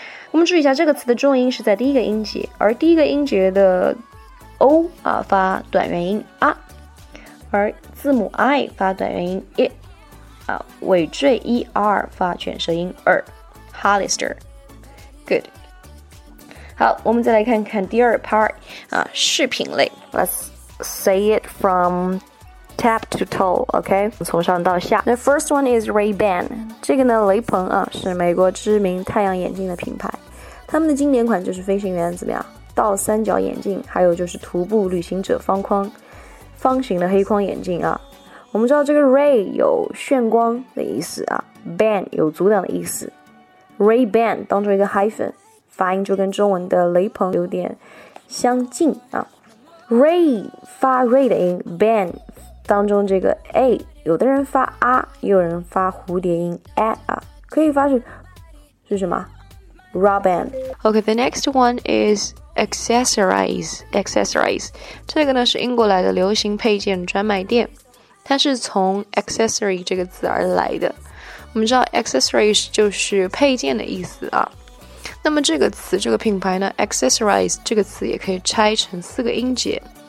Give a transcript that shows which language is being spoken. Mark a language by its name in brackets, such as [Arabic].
[Chinese] 我们注意一下，这个词的重音是在第一个音节，而第一个音节的 O 啊发短元音 A， 而字母 I 发短元音 I， 啊尾缀 ER 发卷舌音 R。 Hollister， good。好，我们再来看看第二 part 啊，饰品类。 [English] Let's say it from Tap to toe, okay? [Chinese] 从上到下。 The first one is Ray-Ban. 这个呢，雷朋啊，是美国知名太阳眼镜的品牌。他们的经典款就是飞行员怎么样？倒三角眼镜，还有就是徒步旅行者方框，方形的黑框眼镜啊。我们知道这个 Ray 有炫光的意思啊 ，Ban 有阻挡的意思。 Ray-Ban 当做一个 hyphen， 发音就跟中文的雷朋有点相近啊。 Ray 发 Ray 的音 ，Ban。当中这个 a 有的人发 a， 有人发蝴蝶音 a 啊，可以发是什么 ？Robin。 [English] Okay, the next one is accessorize. [Chinese] Accessorize 这个呢是英国来的流行配件专卖店，它是从 accessory 这个字而来的。我们知道 accessories 就是配件的意思啊。那么这个词这个品牌呢 ，accessorize 这个词也可以拆成四个音节。